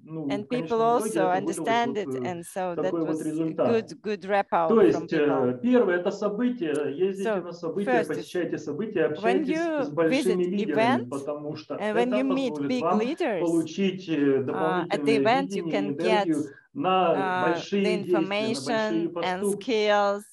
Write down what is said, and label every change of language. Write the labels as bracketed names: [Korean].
[English] And people also understand it, and so that was good wrap out from people. [Russian] То есть первое это событие. Ездите на события, посещайте события, общайтесь с большими лидерами, [English] and when you meet big leaders. At the event, you can get the information and skills.